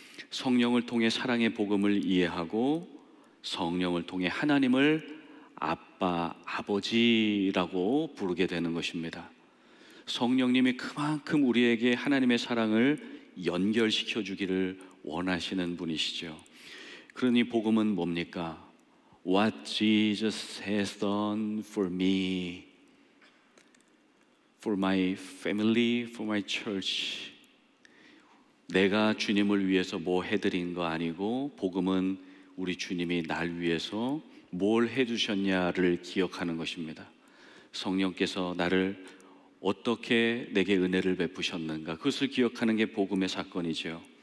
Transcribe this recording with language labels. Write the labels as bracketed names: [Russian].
[Korean] 성령을 통해 사랑의 복음을 이해하고 성령을 통해 하나님을 아빠, 아버지라고 부르게 되는 것입니다. 성령님이 그만큼 우리에게 하나님의 사랑을 연결시켜 주기를 원하시는 분이시죠. 그러니 복음은 뭡니까? [English] What Jesus has done for me, for my family, for my church. [Korean] 내가 주님을 위해서 뭐 해드린 거 아니고 복음은 우리 주님이 날 위해서 뭘 해주셨냐를 기억하는 것입니다. 성령께서 나를 어떻게 내게 은혜를 베푸셨는가, 그것을 기억하는 게 복음의 사건이죠.